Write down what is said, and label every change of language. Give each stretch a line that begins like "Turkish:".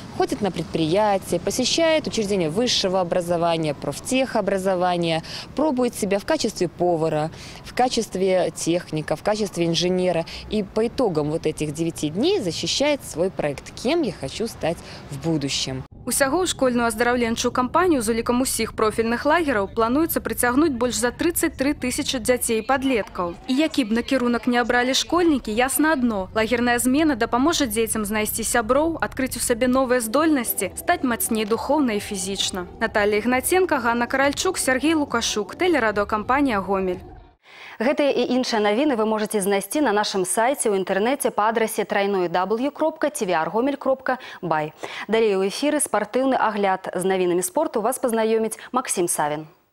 Russian: Ходит на предприятия, посещает учреждения высшего образования, профтехобразования, пробует себя в качестве повара, в качестве техника, в качестве инженера. И по итогам вот этих 9 дней защищает свой проект «Кем я хочу стать в будущем».
Belarusian: Усяго у школьную оздоровленчую кампанию з уліком усіх профільных лагераў плануецца прыцягнуць больш за 33 тысячи дзяцей і падлеткаў. І які б накірунак не абралі школьнікі, ясна адно. Лагерная змена дапаможа дзецям знайсці сяброў, адкрыць у сабе новыя здольнасці, стаць мацней духовна і фізічна. Наталія Ігнатенка, Ганна Каральчук, Сергій Лукашук, тэлерадыокампанія «Гомель». Гэтыя і іншыя навіны вы можаце знайсці на нашым сайце ў інтэрнэце па адрасе www.tvrgomel.by. Далей у эфіры спартыўны агляд. З навінамі спорту вас пазнаёміць Максім Савін.